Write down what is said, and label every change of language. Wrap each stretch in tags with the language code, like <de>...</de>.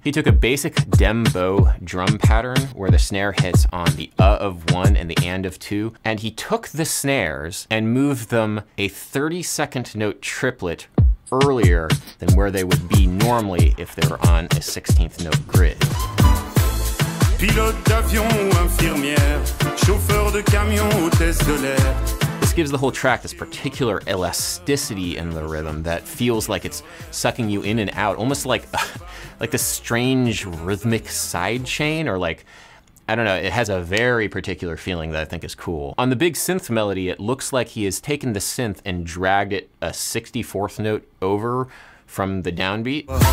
<en>He took a basic dembo drum pattern where the snare hits on the of one and the and of two, and he took the snares and moved them a 32nd note triplet earlier than where they would be normally if they were on a 16th note grid.</en> <fr>Pilote d'avion ou infirmière, chauffeur de camion, hôtesse de l'air.</fr> <en>This gives the whole track this particular elasticity in the rhythm that feels like it's sucking you in and out, almost like this strange rhythmic side chain, or like, I don't know, it has a very particular feeling that I think is cool. On the big synth melody, it looks like he has taken the synth and dragged it a 64th note over from the downbeat.</en>